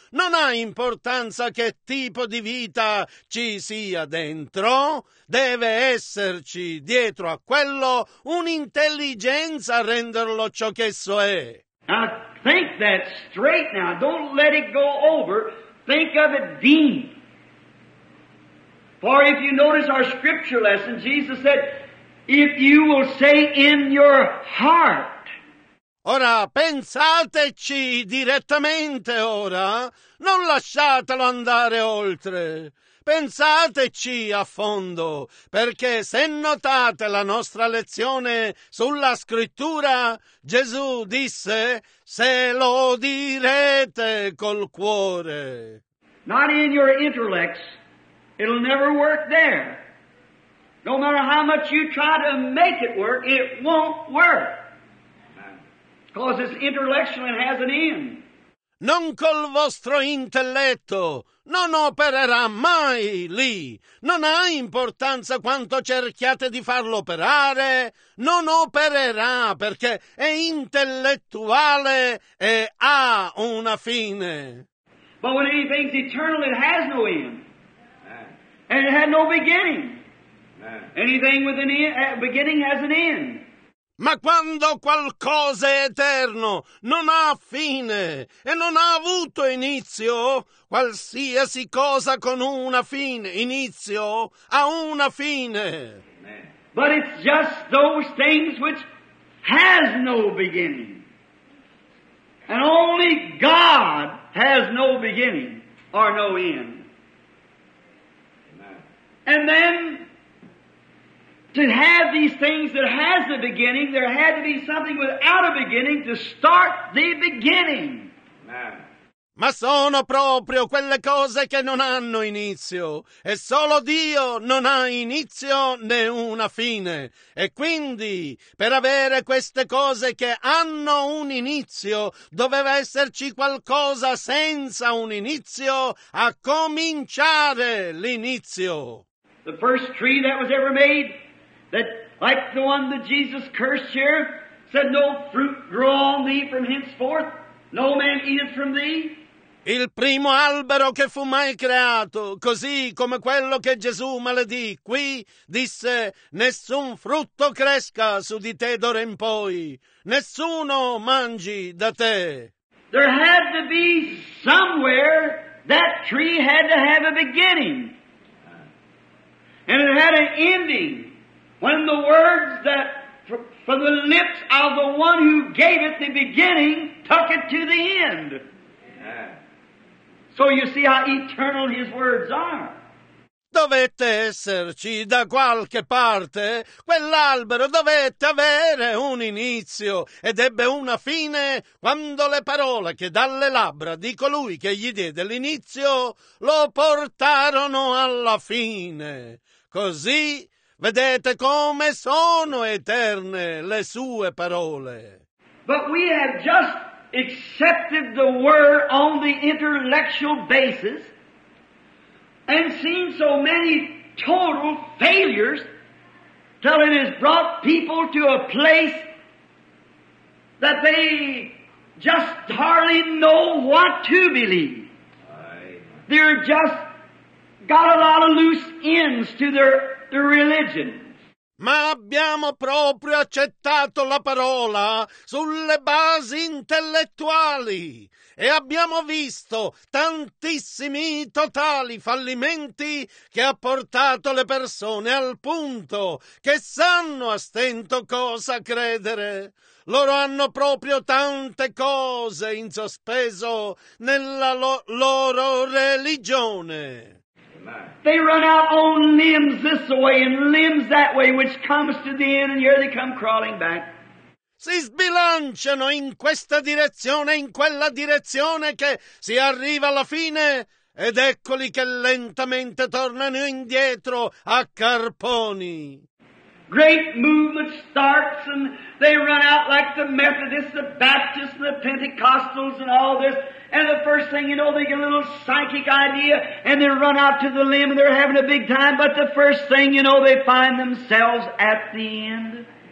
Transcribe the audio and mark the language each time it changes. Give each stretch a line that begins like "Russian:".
Italian: Non ha importanza che tipo di vita ci sia dentro, deve esserci dietro a quello un'intelligenza a renderlo ciò che esso è.
English: Now think that straight now, don't let it go over, think of it deep. For if you notice our scripture lesson, Jesus said, if you will say in your heart.
Italian: Ora pensateci direttamente ora, non lasciatelo andare oltre. Pensateci a fondo, perché se notate la nostra lezione sulla scrittura, Gesù disse, se lo direte col cuore.
English: Not in your intellects, it'll never work there. No matter how much you try to make it work, it won't work. Because it's intellectual and has an end.
Italian: Non col vostro intelletto, non opererà mai lì. Non ha importanza quanto cerchiate di farlo operare, non opererà perché è intellettuale e ha una fine.
English: But when anything's eternal, it has no end. And it had no beginning. Anything with an end, beginning has an end.
Italian: Ma quando qualcosa è eterno, non ha fine e non ha avuto inizio, qualsiasi cosa con una fine, inizio, ha una fine.
English: But it's just those things which has no beginning. And only God has no beginning or no end. And then to have these things that has a beginning, there had to be something without a beginning to start the beginning.
Italian: Ma sono proprio quelle cose che non hanno inizio. E solo Dio non ha inizio né una fine. E quindi, per avere queste cose che hanno un inizio, doveva esserci qualcosa senza un inizio a cominciare l'inizio.
English: The first tree that was ever made, that like the one that Jesus cursed here, said, no fruit grow on thee from henceforth, no man eateth from thee.
Italian: Il primo albero che fu mai creato, così come quello che Gesù maledì qui, disse, nessun frutto cresca su di te d'ora in poi, nessuno mangi da te.
English: There had to be somewhere that tree had to have a beginning. And it had an ending. When the words that from the lips of the one who gave it the beginning took it to the end. So you see how eternal his words are.
Italian: Dovette esserci da qualche parte, quell'albero dovette avere un inizio ed ebbe una fine quando le parole che dalle labbra di colui che gli diede l'inizio lo portarono alla fine. Così vedete come sono eterne le sue parole.
English: But we have just accepted the word on the intellectual basis and seen so many total failures till it has brought people to a place that they just hardly know what to believe. They're just got a lot of loose ends to their religion.
Italian: Ma abbiamo proprio accettato la parola sulle basi intellettuali e abbiamo visto tantissimi totali fallimenti che ha portato le persone al punto che sanno a stento cosa credere. Loro hanno proprio tante cose in sospeso nella loro religione.
English: They run out on limbs this way and limbs that way, which comes to the end, and here they come crawling back.
Italian: Si sbilanciano in questa direzione e in quella direzione che si arriva alla fine, ed eccoli che lentamente tornano indietro a carponi.
English: Great movement starts and they run out like the Methodists, the Baptists, and the Pentecostals and all this. And the first thing you know, they get a little psychic idea and they run out to the limb and they're having a big time. But the first thing you know, they find themselves at the end.